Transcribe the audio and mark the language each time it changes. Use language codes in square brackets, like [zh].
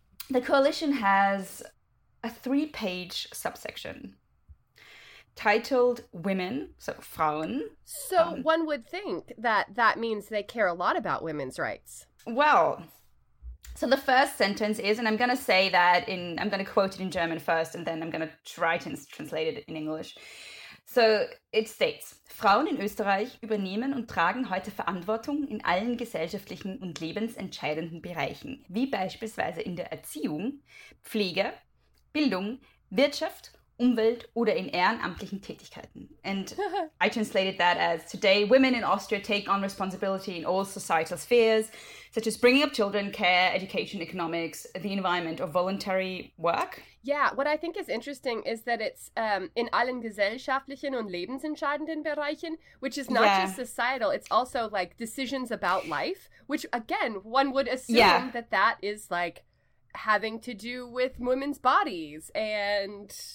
[en] The coalition has a 3-page subsection titled Women, so Frauen. So one would think that that means they care a lot about women's rights. Well, so the first sentence is, and I'm going to say that in, I'm going to quote it in German first, and then I'm going to try to translate it in English. [de] So it states, Frauen in Österreich übernehmen und tragen heute Verantwortung in allen gesellschaftlichen und lebensentscheidenden Bereichen, wie beispielsweise in der Erziehung, Pflege, Bildung, Wirtschaft, Umwelt oder in ehrenamtlichen Tätigkeiten. [en] And I translated that as, today women in Austria take on responsibility in all societal spheres, such as bringing up children, care, education, economics, the environment, or voluntary work. Yeah, what I think is interesting is that it's [de] in allen gesellschaftlichen und lebensentscheidenden Bereichen, [en] which is not just societal, it's also like decisions about life, which again, one would assume that that is like having to do with women's bodies and...